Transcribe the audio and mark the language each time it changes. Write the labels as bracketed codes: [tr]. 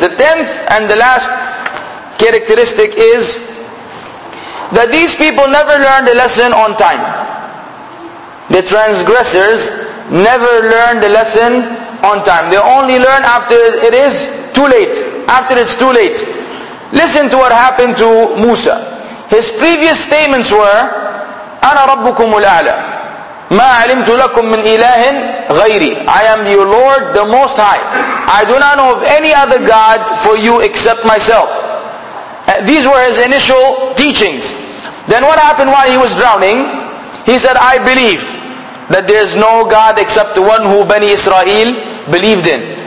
[en] The tenth and the last characteristic is that these people never learned a lesson on time. The transgressors never learned a lesson on time. They only learn after it is too late. After it's too late. Listen to what happened to Musa. His previous statements were, [ar] أَنَا رَبُّكُمُ الْأَعْلَى مَا عَلِمْتُ لَكُم مِّنْ إِلَٰهٍ غَيْرِي. [en] I am your Lord, the Most High. I do not know of any other God for you except myself. These were his initial teachings. Then what happened while he was drowning? He said, I believe that there is no God except the one who Bani Israel believed in.